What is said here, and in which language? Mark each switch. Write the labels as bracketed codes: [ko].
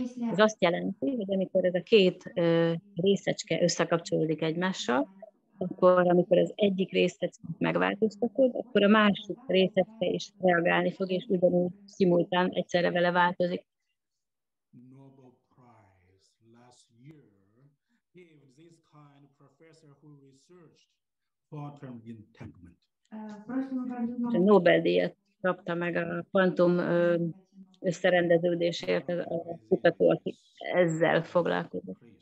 [hu] Ez azt jelenti, hogy amikor ez a két részecske összekapcsolódik egymással, akkor, amikor az egyik részecet megváltoztatod, akkor a másik részecet is reagálni fog, és ugyanúgy szimultán egyszerre vele változik. [en] Nobel Prize last year gave this kind of professor who researched quantum entanglement. [hu] A Nobel-díjat kapta meg a kvantum összerendeződésért a kutató, aki ezzel foglalkozott.